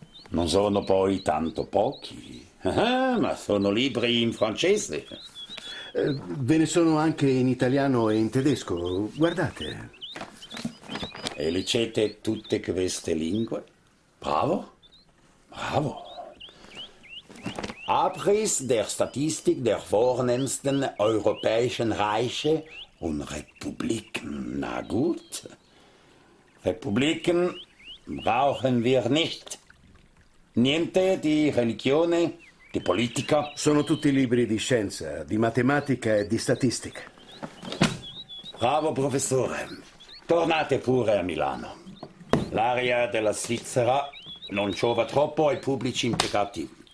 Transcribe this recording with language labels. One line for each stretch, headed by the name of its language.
Italian: Non sono poi tanto pochi, ma sono libri in francese. Ve ne sono anche in italiano e in tedesco, guardate. E leggete tutte queste lingue? Bravo, bravo.
German: Abriss der Statistik der vornehmsten europäischen Reiche und Republiken. Na gut, Republiken brauchen wir nicht.
Italian: Niente di religione, di politica. Sono tutti libri di scienza, di matematica e di statistica. Bravo professore, tornate pure a Milano. L'aria della Svizzera non giova troppo ai pubblici impiegati.